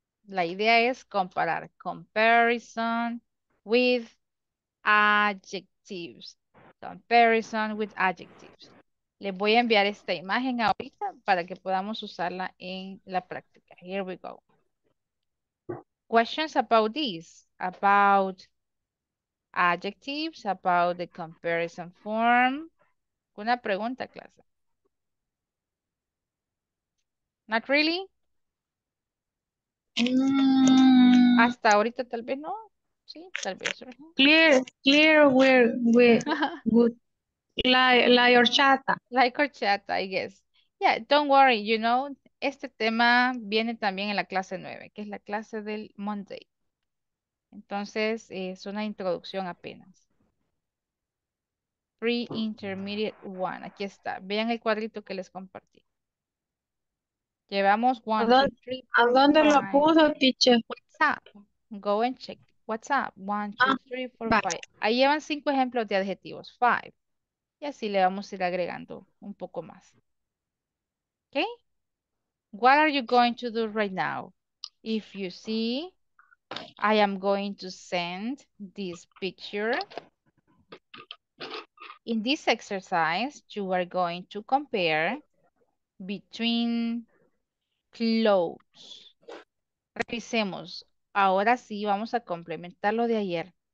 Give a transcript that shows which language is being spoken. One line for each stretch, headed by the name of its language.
Spanish: La idea es comparar.
English: Comparison with adjectives. Comparison with adjectives.
Spanish: Les voy a enviar esta imagen ahorita para que podamos usarla en la práctica.
English: Here we go. questions about this, about adjectives, about the comparison form.
Spanish: Una pregunta, clase.
English: Not really? Mm.
Spanish: Hasta ahorita tal vez no. Sí, tal vez.
English: Clear where good. Like horchata. Like horchata, I guess. Yeah, don't worry, you know.
Spanish: Este tema viene también en la clase 9, que es la clase del
English: Monday.
Spanish: Entonces, es una introducción apenas. Pre-intermediate 1. Aquí está. Vean el cuadrito que les compartí. Llevamos 1, 2, 3. ¿A dónde lo puso, teacher?
English: WhatsApp. Go and check. WhatsApp. 1, 2, 3, 4, 5.
Spanish: Ahí llevan 5 ejemplos de adjetivos. 5. Y así le vamos a ir agregando un poco más. ¿Ok?
English: What are you going to do right now? If you see, I am going to send this picture. In this exercise, you are going to compare between clothes.
Spanish: Revisemos. Ahora sí, vamos a complementar lo de ayer.